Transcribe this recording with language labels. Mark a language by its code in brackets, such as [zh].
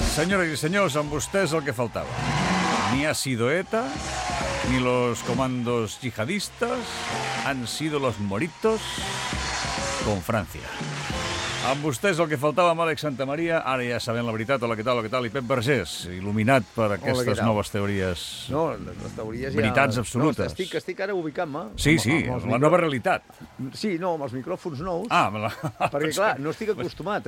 [ca] Senyores i senyors, amb vostès el que faltava. [es] Ni ha sido ETA, ni los comandos yihadistas, han sido los moritos con Francia. [ca] Amb vostès el que faltava, amb Àlex Santamaria, ara ja sabem la veritat, hola, què tal, què tal, i Pep Vergés, il·luminat per aquestes noves teories... No, les teories veritats ja... absolutes. No, estic ara ubicant-me. Sí, amb, sí, amb la nova realitat. Sí, no, amb els micròfons nous. Ah, amb la... Perquè, clar, no estic acostumat.